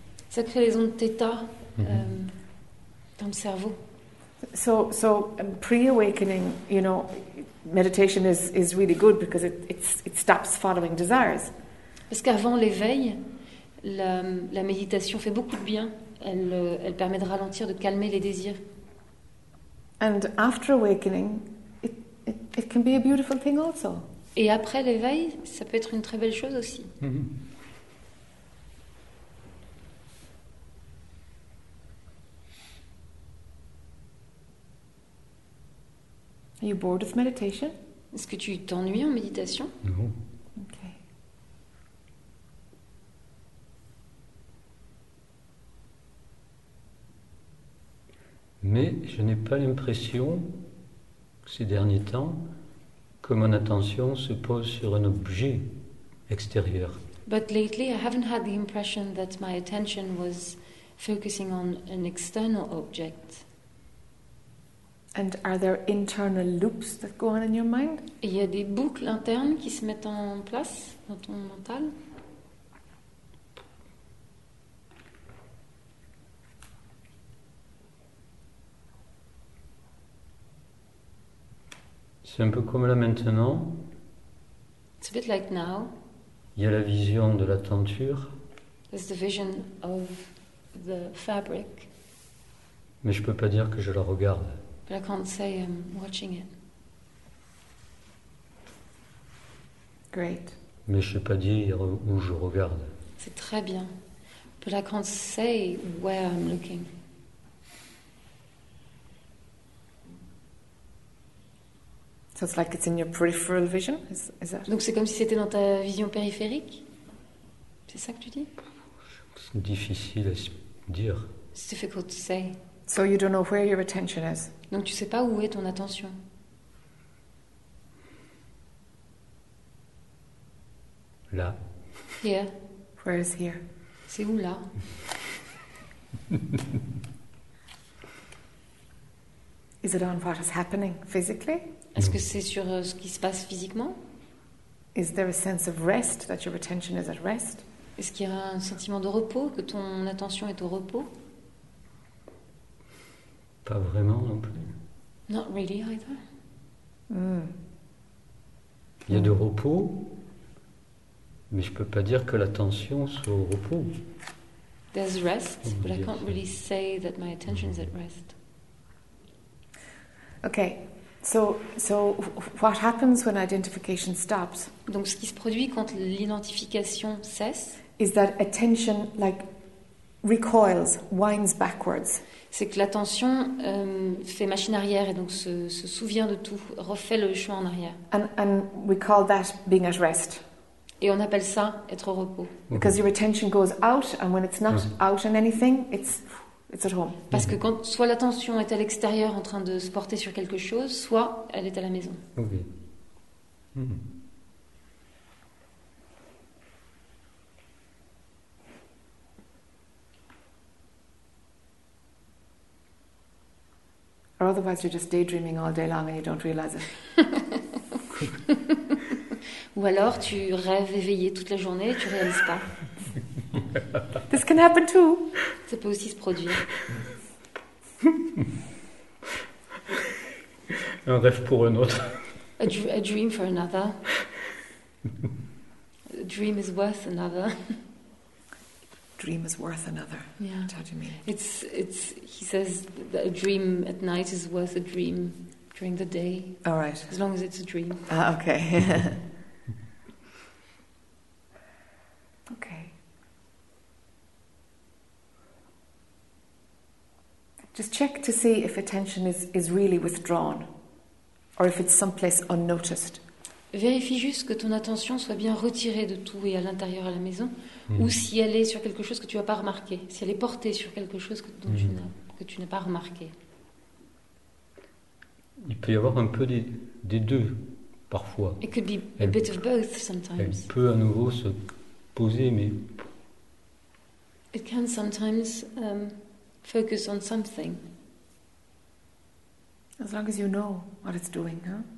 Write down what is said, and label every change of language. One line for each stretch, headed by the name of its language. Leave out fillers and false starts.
French: Ça crée les ondes theta dans le cerveau.
English: So pre-awakening, you know, meditation is really good because it stops following desires.
French: Parce qu'avant l'éveil, la méditation fait beaucoup de bien. Elle permet de ralentir, de calmer les désirs.
English: And after awakening, it can be a beautiful thing also.
French: Et après l'éveil, ça peut être une très belle chose aussi.
English: Are you bored of meditation?
French: Est-ce que tu t'ennuies en méditation? Non.
English: Okay.
French: Mais je n'ai pas l'impression, ces derniers temps, que mon attention se pose sur un objet extérieur.
English: But lately, I haven't had the impression that my attention was focusing on an external object. And are there internal loops that go on in your mind?
French: Il y a des boucles internes qui se mettent en place dans ton mental. C'est un peu comme là maintenant.
English: It's a bit like now.
French: Il y a la vision de la tenture.
English: There's the vision of the fabric.
French: Mais je peux pas dire que je la regarde.
English: But I can't say I'm watching it. Great.
French: Mais je sais pas dire où je regarde. C'est très bien.
English: But I can't say where I'm looking. So it's like it's in your peripheral vision, is that?
French: Donc c'est comme si c'était dans ta vision périphérique. C'est ça que tu dis? C'est difficile à dire.
English: It's difficult to say. So you don't know where your attention is.
French: Donc tu sais pas où est ton attention. Là.
English: Here. Where is here?
French: C'est où là?
English: Is it on what is happening physically?
French: Est-ce que c'est sur ce qui se passe physiquement?
English: Is there a sense of rest that your attention is at rest?
French: Est-ce qu'il y a un sentiment de repos, que ton attention est au repos? Pas vraiment non plus.
English: Not really either.
French: Il y a du repos, mais je peux pas dire que l'attention soit au repos.
English: There's rest, but I can't really say that my attention is at rest. Okay. So what happens when identification stops?
French: Donc ce qui se produit quand l'identification cesse?
English: Is that attention like recoils, winds backwards?
French: C'est que l'attention fait machine arrière et donc se souvient de tout, refait le chemin en arrière.
English: And we call that being at rest.
French: Et on appelle ça être au repos.
English: Okay. Because your attention goes out, and when it's not out in anything, it's at home.
French: Parce que quand soit l'attention est à l'extérieur en train de se porter sur quelque chose, soit elle est à la maison.
English: Okay. Or otherwise you're just daydreaming all day long and you don't realize it.
French: Ou alors tu rêves éveillé toute la journée et tu réalises pas.
English: This can happen too.
French: Ça peut aussi se produire. Un rêve pour un autre.
English: A dream for another. A dream is worth another. Dream is worth another. Yeah. How do you mean? It's. He says that a dream at night is worth a dream during the day. All right. As long as it's a dream. Okay. Okay. Just check to see if attention is really withdrawn, or if it's someplace unnoticed.
French: Vérifie juste que ton attention soit bien retirée de tout et à l'intérieur à la maison, ou si elle est sur quelque chose que tu n'as pas remarqué, si elle est portée sur quelque chose que tu n'as pas remarqué. Il peut y avoir un peu des deux, parfois.
English: It could be a bit of both sometimes.
French: Elle peut à nouveau se poser, mais...
English: It can sometimes focus on something. As long as you know what it's doing, huh?